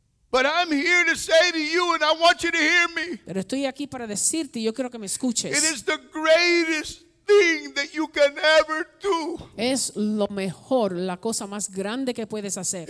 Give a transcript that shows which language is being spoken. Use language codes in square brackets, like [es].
[en] But I'm here to say to you, and I want you to hear me. [es] Pero estoy aquí para decirte, y yo quiero que me escuches. [en] It is the greatest thing that you can ever do. [es] Es lo mejor, la cosa más grande que puedes hacer.